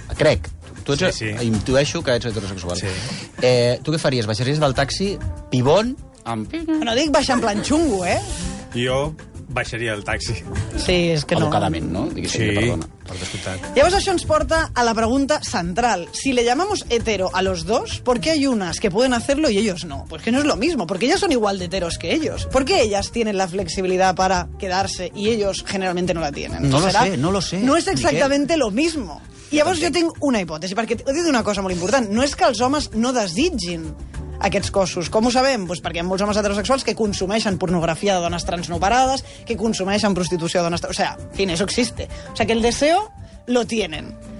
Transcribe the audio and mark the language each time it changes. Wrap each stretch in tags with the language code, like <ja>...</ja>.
<ca>Crec. Tu ets, sí. Intueixo que ets heterosexual. Sí. Tu què faries? Baixaries del taxi, pibon, amb... No dic baixar en plan xungo, eh? Jo baixaria del taxi. Sí, és que no. Educadament, no? Diguis, sí, perdona. Per descomptat. Llavors això ens porta a la pregunta central.</ca> <es>Si le llamamos hetero a los dos, ¿por qué hay unas que pueden hacerlo y ellos no? Pues que no es lo mismo, porque ellas son igual de heteros que ellos. ¿Por qué ellas tienen la flexibilidad para quedarse y ellos generalmente no la tienen? No lo sé, no lo sé. No es exactamente lo mismo.</es> <ca>I llavors jo tinc una hipòtesi, perquè he dit una cosa molt important. No és que els homes no desitgin aquests cossos. Com ho sabem? Pues perquè hi ha molts homes heterosexuals que consumeixen pornografia de dones trans no parades, que consumeixen prostitució de dones...</ca> <es>O sea, fin, eso existe. O sea, que el deseo lo tienen.</es>